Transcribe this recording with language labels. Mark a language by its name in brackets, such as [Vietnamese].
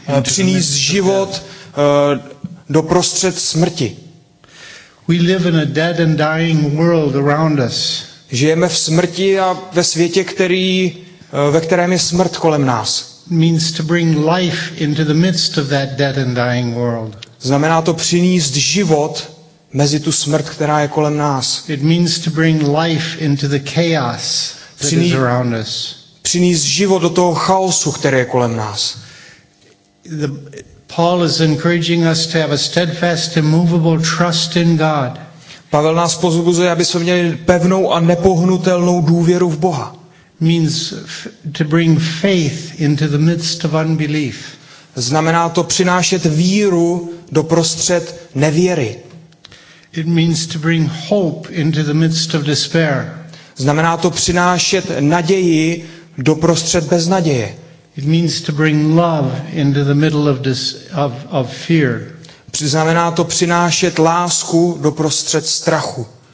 [Czech] Přinést život do prostřed smrti. [English] We live in a dead and dying world around us. [Czech] Žijeme v smrti a ve světě, ve kterém je smrt kolem nás. [English] Means to bring life into the midst of that dead and dying world. [Czech] Znamená to přinést život mezi tu smrt, která je kolem nás. [English] It means to bring life into the chaos that is around us. [Czech] Přinést život do toho chaosu, který je kolem nás. [English] Paul is encouraging us to have a steadfast, immovable trust in God. [Czech] Pavel nás pozbuzuje, aby jsme měli pevnou a nepohnutelnou důvěru v Boha. [English] Means to bring faith into the midst of unbelief. [Czech] Znamená to přinášet víru do prostřed nevěry. [English] It means to bring hope into the midst of despair. [Czech] Znamená to přinášet naději do prostřed beznaděje. [English] It means to bring love into the middle of fear. [Czech] Znamená to přinášet lásku do prostřed strachu.